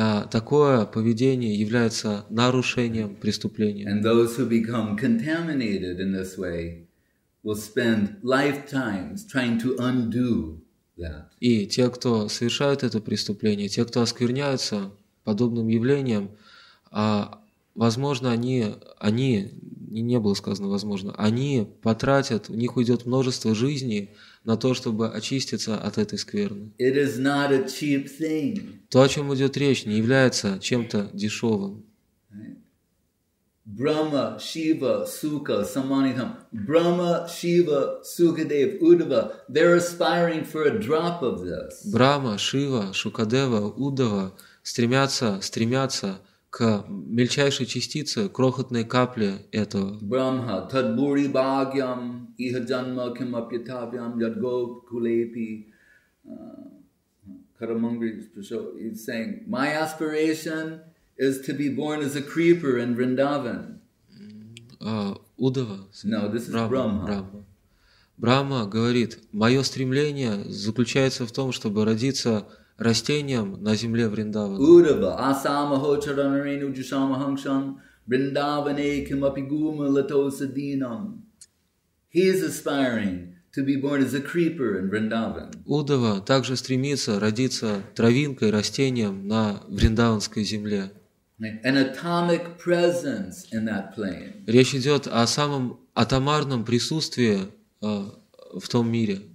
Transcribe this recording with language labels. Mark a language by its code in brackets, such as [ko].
[ru] Такое поведение является нарушением преступления. [en] And those who become contaminated in this way will spend lifetimes trying to undo that. [ru] И те, кто совершают это преступление, те, кто оскверняются подобным явлением, возможно, они потратят, у них уйдет множество жизней на то, чтобы очиститься от этой скверны. [en] It is not a cheap thing. [ru] То, о чем идет речь, не является чем-то дешевым. [sa] Брахма, Шива, Сука, Саманитам. Брахма, Шива, Сукадев, Удава. [en] They're aspiring for a drop of this. [ru] Брахма, Шива, Шукадева, Удава стремятся к мельчайшей частице, крохотной капле этого. [sa] Брахма, Тадбури Багьям, Иха Джанма, Кимапьятабьям, Ядго, Кулепи. [en] Карамангри, he's saying, my aspiration is to be born as a creeper in Vrindavan. Удава. No, this is Брахма. [ru] Брахма говорит, мое стремление заключается в том, чтобы родиться растением на земле Вриндавана. [sa] Удава, асамахо чаранарену джусамахангшам, Вриндаване кимапигума латосадинам. [en] He is aspiring to be born as a creeper in Vrindavan. [ru] Удава также стремится родиться травинкой, растением на Вриндаванской земле. [en] An atomic presence in that plane. [ru] Речь идет о самом атомарном присутствии в том мире.